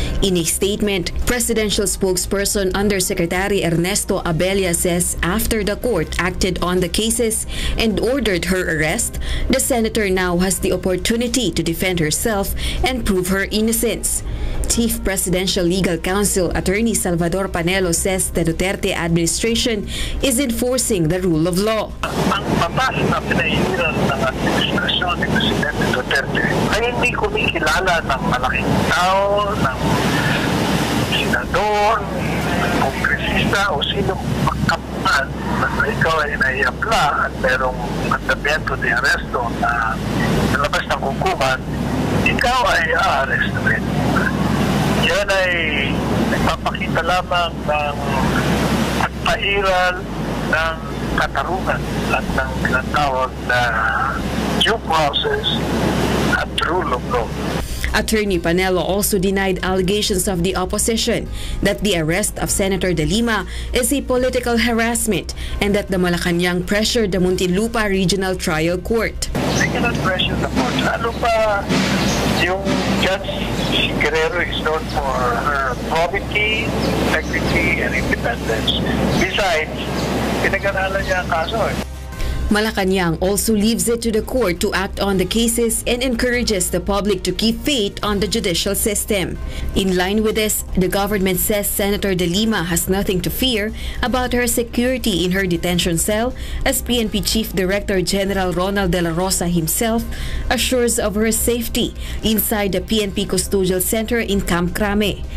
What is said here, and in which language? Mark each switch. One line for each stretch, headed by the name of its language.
English: In a statement, Presidential Spokesperson Undersecretary Ernesto Abella says after the court acted on the cases and ordered her arrest, the senator now has the opportunity to defend herself and prove her innocence. Chief Presidential Legal Counsel Attorney Salvador Panelo says the Duterte administration is enforcing the rule of law.
Filipino: Ang batas na pinahiran ng administrasyon ni Presidente Duterte ay hindi kumikilala ng malaking tao, ng senador, kongresista o sino magkapan na ikaw ay naiapla at merong mandamiento de arresto na nalabas ng hukuman, ikaw ay aarest rin. Yan ay nagpapakita lamang ng pagpairal ng katarungan at ng tinatawag na due process at rule of law.
English: Attorney Panelo also denied allegations of the opposition that the arrest of Senator Dilima is a political harassment and that the Malacanang pressured the Muntinlupa Regional Trial Court. I cannot pressure the court.
Filipino: Lalo pa yung judge,
English: si Guerrero, is known for her probity, integrity, and independence.
Filipino: Besides, pinag-aralan niya ang kaso.
English: Malacanang also leaves it to the court to act on the cases and encourages the public to keep faith on the judicial system. In line with this, the government says Senator Dilima has nothing to fear about her security in her detention cell, as PNP Chief Director General Ronald De La Rosa himself assures of her safety inside the PNP Custodial Center in Camp Crame.